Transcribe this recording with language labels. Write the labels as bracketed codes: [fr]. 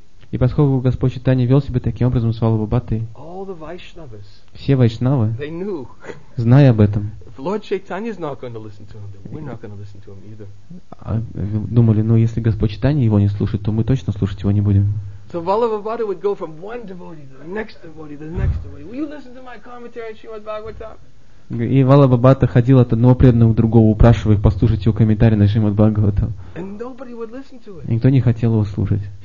[ru] И поскольку Господь Чайтанья вел себя таким образом с Валабхабхатой, все вайшнавы, зная об этом, думали, ну если Господь Чайтанья его не слушает, то мы точно слушать его не будем. [en] So Valabhavata would go from one devotee to the next devotee, to the next devotee. Will you listen to my commentary on Srimad Bhagavatam? [ru] И Валабхабхата ходил от одного преданного к другому, упрашивая их послушать его комментарии на Шримад Бхагаватам. Никто не хотел его слушать.